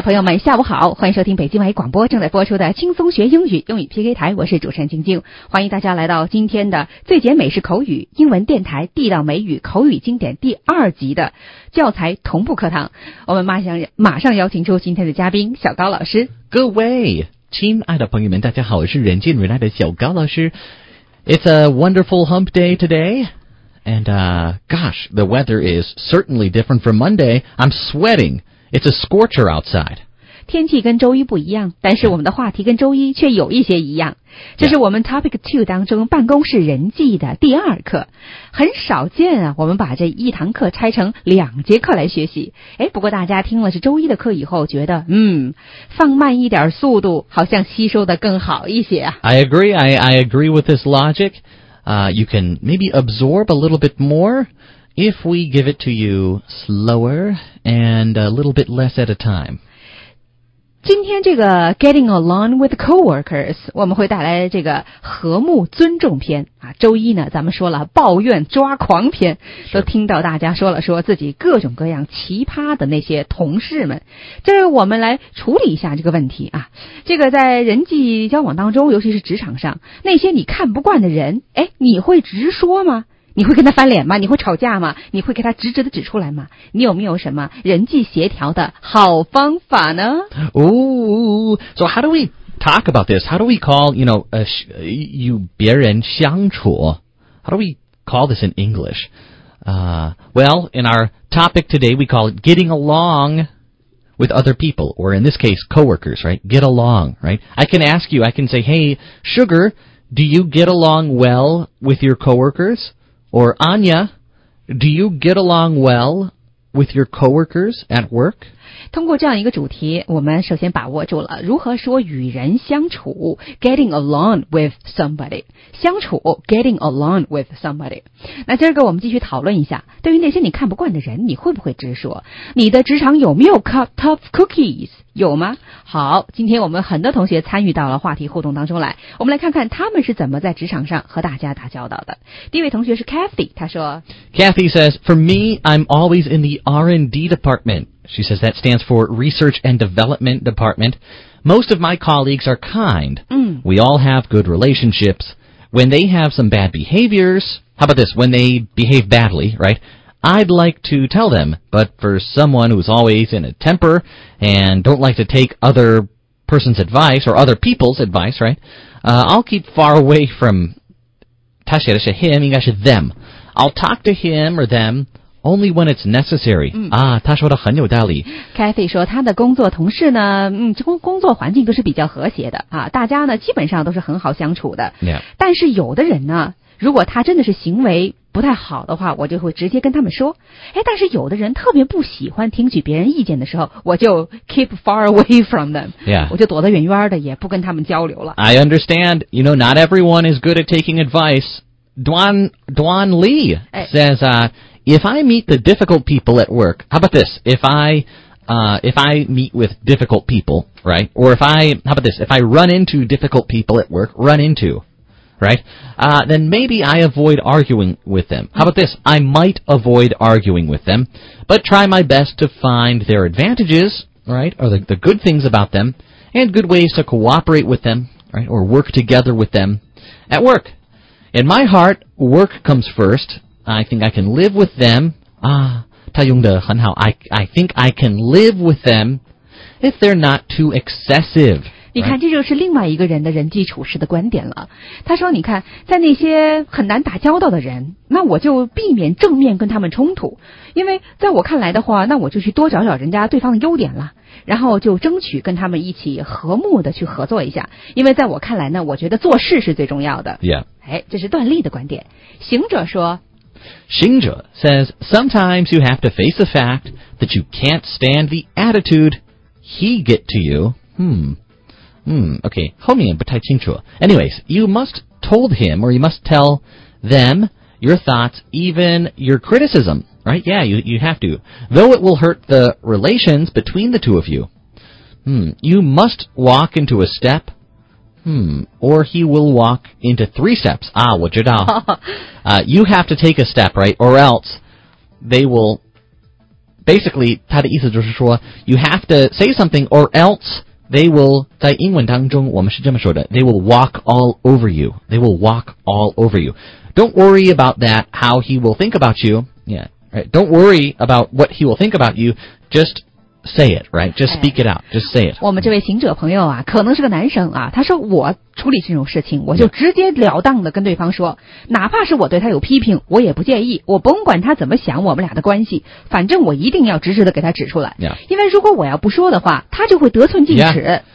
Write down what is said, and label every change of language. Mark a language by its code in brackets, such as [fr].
[zh] 朋友们下午好，欢迎收听北京外语广播正在播出的轻松学英语英语 PK 台，我是主持人晶晶，欢迎大家来到今天的最简美式口语英文电台地道美语口语经典第二集的教材同步课堂。我们马上邀请出今天的嘉宾小高老师。各位亲爱的朋友们大家好，我是人见人爱的小高老师。 [en] It's a wonderful hump day todayAnd, gosh, the weather is certainly different from Monday. I'm sweating. It's a scorcher outside. [zh] 天气跟周一不一样，但是我们的话题跟周一却有一些一样。这是我们 Topic 2当中办公室人际的第二课。很少见啊，我们把这一堂课拆成两节课来学习。诶，不过大家听了是周一的课以后觉得，放慢一点速度好像吸收的更好一些啊。 [en] I agree with this logic. You can maybe absorb a little bit more if we give it to you slower and a little bit less at a time. [zh] 今天这个 [en] Getting Along with Coworkers, [zh] 我们会带来这个和睦尊重篇。啊，周一呢咱们说了抱怨抓狂篇，都听到大家说了说自己各种各样奇葩的那些同事们。这是我们来处理一下这个问题啊。这个在人际交往当中，尤其是职场上，那些你看不惯的人，诶，你会直说吗？你会跟他翻脸吗？你会吵架吗？你会给他直直的指出来吗？你有没有什么人际协调的好方法呢？ [en] Ooh, so how do we talk about this? How do we call, you know, you [zh] 别人相处? [en] How do we call this in English? Well, in our topic today, we call it getting along with other people, or in this case, coworkers, right? Get along, right? I can ask you, I can say, hey, Sugar, do you get along well with your coworkers? Or, Anya, do you get along well with your coworkers at work? [zh] 通过这样一个主题，我们首先把握住了如何说与人相处 , [en] getting along with somebody. [zh] 相处 [en] ,getting along with somebody. [zh] 那今儿个我们继续讨论一下，对于那些你看不惯的人，你会不会直说？你的职场有没有 [en] tough cookies? [zh] 有吗？好，今天我们很多同学参与到了话题互动当中来，我们来看看他们是怎么在职场上和大家打交道的。第一位同学是 Kathy, 他说 [en] Kathy says, for me, I'm always in the R&D department. She says that stands for Research and Development Department. Most of my colleagues are kind. We all have good relationships. When they have some bad behaviors, how about this, when they behave badly, right? I'd like to tell them, but for someone who's always in a temper and don't like to take other person's advice or other people's advice, right? I'll keep far away from him, [zh] 应该是 [en] them. I'll talk to him or them only when it's necessary. [zh] 他说的很有道理。 Kathy 说他的工作同事呢，工作环境都是比较和谐的啊，大家呢基本上都是很好相处的。 [en] Yeah. [zh] 但是有的人呢，如果他真的是行为不太好的话，我就会直接跟他们说。哎，但是有的人特别不喜欢听取别人意见的时候，我就 [en] keep far away from them. Yeah. [zh] 我就躲得远远的，也不跟他们交流了。 [en] I understand. You know, not everyone is good at taking advice. Duan Lee says, if I meet the difficult people at work, how about this? If I meet with difficult people, right? Or if I, how about this? If I run into difficult people at work, run into... Right? Then maybe I avoid arguing with them. How about this? I might avoid arguing with them, but try my best to find their advantages, right? Or the good things about them, and good ways to cooperate with them, right? Or work together with them at work. In my heart, work comes first. I think I can live with them. Ah, [zh] 他用的很好. [en] I think I can live with them if they're not too excessive. [zh] 你看，这就是另外一个人的人际处事的观点了。他说，你看，在那些很难打交道的人，那我就避免正面跟他们冲突，因为在我看来的话，那我就去多找找人家对方的优点了，然后就争取跟他们一起和睦的去合作一下，因为在我看来呢，我觉得做事是最重要的。 [en] Yeah. [zh] 哎，这是段丽的观点。行者说 [en] Xingzhe says, sometimes you have to face the fact that you can't stand the attitude he get to you. [zh] Okay, 后面不太清楚。 [en] Anyways, you must told him or you must tell them your thoughts, even your criticism, right? Yeah, you have to. Though it will hurt the relations between the two of you. You must walk into a step, or he will walk into three steps. [zh] Ah, 我知道。 [en] You have to take a step, right? Or else they will basically [zh] 他的意思就是说 [en] you have to say something or else they will [zh] 在英文当中我们是这么说的 [en] they will walk all over you. They will walk all over you. Don't worry about that, how he will think about you. Yeah, right. Don't worry about what he will think about you. Just say it, right? Just speak it out. Just say it. [zh] 我们这位行者朋友啊可能是个男生啊他说我处理这种事情我就直接了当的跟对方说、yeah. 哪怕是我对他有批评我也不介意我甭管他怎么想我们俩的关系反正我一定要直直的给他指出来、 [en] yeah. [zh] 因为如果我要不说的话他就会得寸进尺、